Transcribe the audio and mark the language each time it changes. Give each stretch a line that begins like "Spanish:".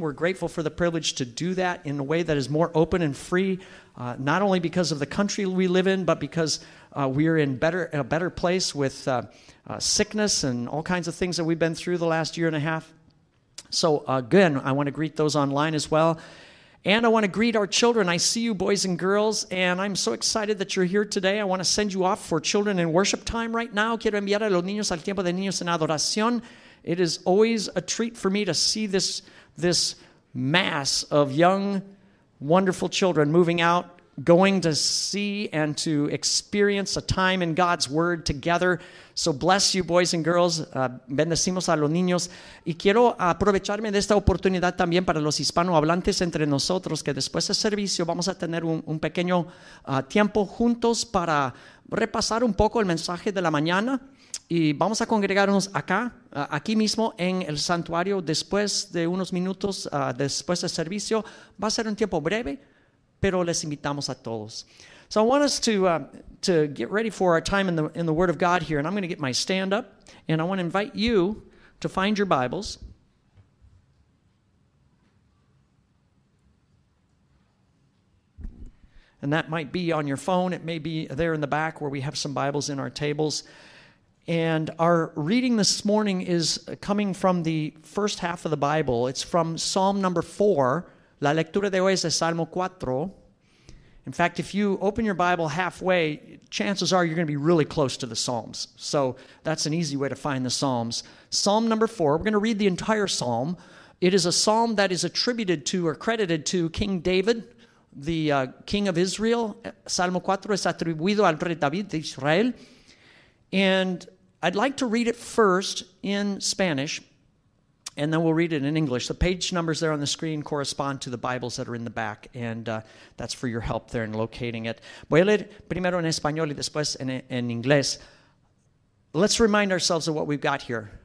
English: We're grateful for the privilege to do that in a way that is more open and free, not only because of the country we live in, but because we're in a better place with sickness and all kinds of things that we've been through the last year and a half. So again, I want to greet those online as well. And I want to greet our children. I see you, boys and girls, and I'm so excited that you're here today. I want to send you off for children in worship time right now.
Spanish: Quiero enviar a los niños al tiempo de niños en adoración.
English: It is always a treat for me to see this mass of young, wonderful children moving out, going to see and to experience a time in God's Word together. So bless you, boys and girls.
Spanish: Bendecimos a los niños. Y quiero aprovecharme de esta oportunidad también para los hispanohablantes entre nosotros, que después de servicio vamos a tener un pequeño tiempo juntos para repasar un poco el mensaje de la mañana. Y vamos a congregarnos acá, aquí mismo en el santuario, después de unos minutos, después del servicio. Va a ser un tiempo breve, pero les invitamos a todos.
English: So I want us to get ready for our time in the Word of God here, and I'm going to get my stand up, and I want to invite you to find your Bibles. And that might be on your phone, it may be there in the back where we have some Bibles in our tables. And our reading this morning is coming from the first half of the Bible. It's from Psalm number 4.
Spanish: La lectura de hoy es de Salmo 4.
English: In fact, if you open your Bible halfway, chances are you're going to be really close to the Psalms. So that's an easy way to find the Psalms. Psalm number 4, we're going to read the entire Psalm. It is a Psalm that is attributed to or credited to King David, the king of Israel.
Spanish: Salmo 4 es atribuido al rey David de Israel.
English: And I'd like to read it first in Spanish, and then we'll read it in English. The page numbers there on the screen correspond to the Bibles that are in the back, and that's for your help there in locating it.
Spanish: Voy a leer primero en español y después en inglés.
English: Let's remind ourselves of what we've got here.